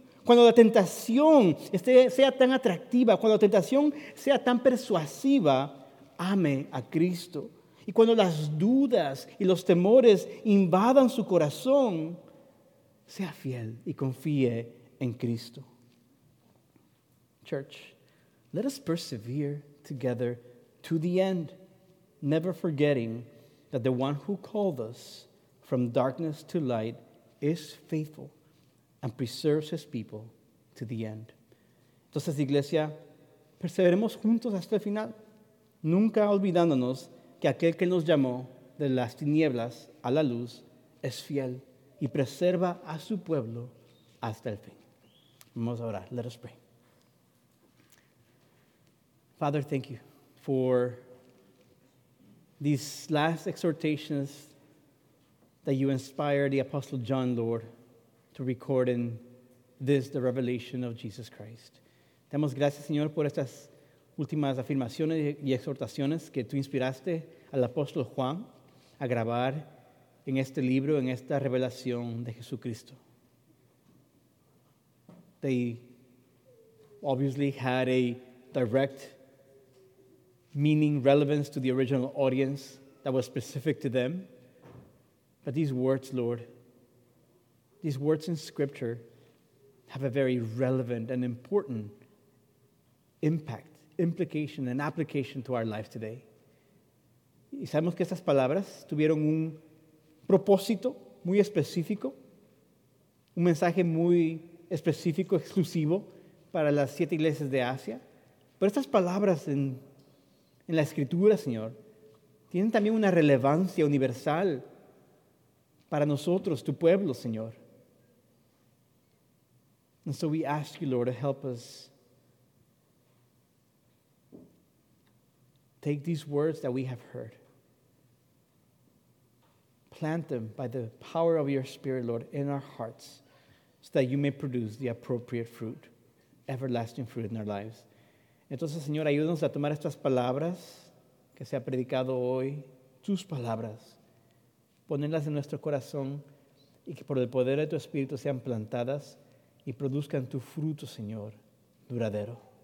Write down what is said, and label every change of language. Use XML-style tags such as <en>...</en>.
<es>Cuando la tentación sea tan atractiva, cuando la tentación sea tan persuasiva, ame a Cristo. Y cuando las dudas y los temores invadan su corazón, sea fiel y confíe en Cristo.</es> <en>Church, let us persevere together to the end, never forgetting that the one who called us from darkness to light is faithful and preserves his people to the end.</en> <es>Entonces, iglesia, perseveremos juntos hasta el final, nunca olvidándonos que aquel que nos llamó de las tinieblas a la luz es fiel y preserva a su pueblo hasta el fin. Vamos a orar.</es> <en>Let us pray. Father, thank you for these last exhortations that you inspired the Apostle John, Lord, to record in this, the revelation of Jesus Christ.</en> <es>Damos gracias, Señor, por estas últimas afirmaciones y exhortaciones que tú inspiraste al Apóstol Juan a grabar en este libro, en esta revelación de Jesucristo.</es> <en>They obviously had a direct meaning, relevance to the original audience that was specific to them. But these words, Lord, these words in Scripture have a very relevant and important impact, implication, and application to our life today.</en> <es>Y sabemos que estas palabras tuvieron un propósito muy específico, un mensaje muy específico, exclusivo para las siete iglesias de Asia. Pero estas palabras en la Escritura, Señor, tienen también una relevancia universal para nosotros, tu pueblo, Señor.</es> <en>And so we ask you, Lord, to help us take these words that we have heard, plant them by the power of your Spirit, Lord, in our hearts, so that you may produce the appropriate fruit, everlasting fruit in our lives.</en> <es>Entonces, Señor, ayúdanos a tomar estas palabras que se ha predicado hoy, tus palabras, ponerlas en nuestro corazón y que por el poder de tu Espíritu sean plantadas y produzcan tu fruto, Señor, duradero.</es>